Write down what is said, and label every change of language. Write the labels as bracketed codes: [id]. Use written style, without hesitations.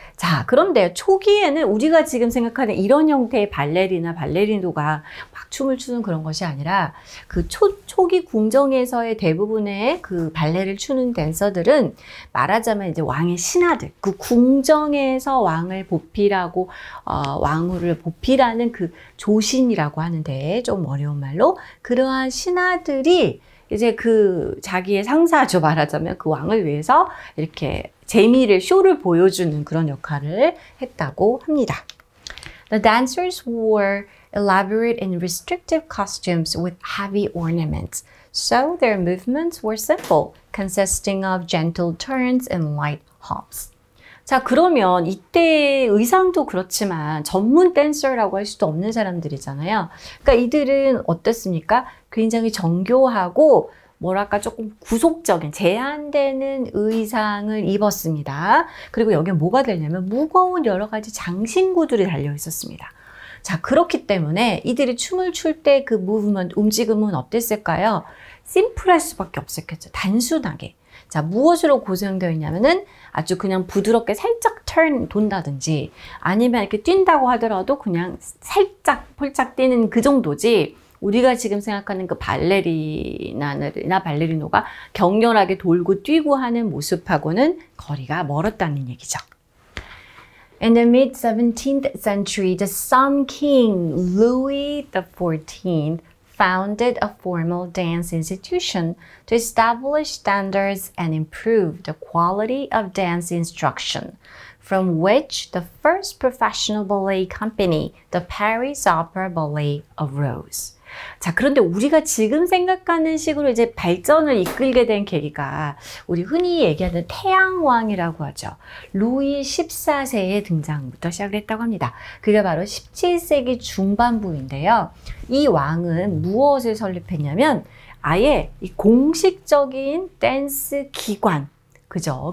[ko] 자, 그런데 초기에는 우리가 지금 생각하는 이런 형태의 발레리나 발레리노가 막 춤을 추는 그런 것이 아니라 그 초기 궁정에서의 대부분의 그 발레를 추는 댄서들은 말하자면 이제 왕의 신하들, 그 궁정에서 왕을 보필하고 왕후를 보필하는 그 조신이라고 하는데 좀 어려운 말로 그러한 신하들이 이제 그 자기의 상사죠. 말하자면 그 왕을 위해서 이렇게 재미를, 쇼를 보여주는 그런 역할을 했다고 합니다. [en] The dancers wore elaborate and restrictive costumes with heavy ornaments. So their movements were simple, consisting of gentle turns and light hops. [ko] 자, 그러면 이때 의상도 그렇지만 전문 댄서라고 할 수도 없는 사람들이잖아요. 그러니까 이들은 어땠습니까? 굉장히 정교하고 뭐랄까 조금 구속적인 제한되는 의상을 입었습니다. 그리고 여기에 뭐가 되냐면 무거운 여러 가지 장신구들이 달려 있었습니다. 자, 그렇기 때문에 이들이 춤을 출때그 movement, 움직임은 어땠을까요? 심플할 수밖에 없었겠죠. 단순하게. 자, 무엇으로 구성되어 있냐면은 아주 그냥 부드럽게 살짝 turn 돈다든지 아니면 이렇게 뛴다고 하더라도 그냥 살짝 폴짝 뛰는 그 정도지 우리가 지금 생각하는 그 발레리나 발레리노가 격렬하게 돌고 뛰고 하는 모습하고는 거리가 멀었다는 얘기죠. [en] In the mid-17th century, the Song King Louis XIV founded a formal dance institution to establish standards and improve the quality of dance instruction, from which the first professional ballet company, the Paris Opera Ballet, arose. [ko] 자, 그런데 우리가 지금 생각하는 식으로 이제 발전을 이끌게 된 계기가 우리 흔히 얘기하는 태양왕이라고 하죠. 루이 14세의 등장부터 시작을 했다고 합니다. 그게 바로 17세기 중반부인데요. 이 왕은 무엇을 설립했냐면 아예 이 공식적인 댄스 기관, 그죠?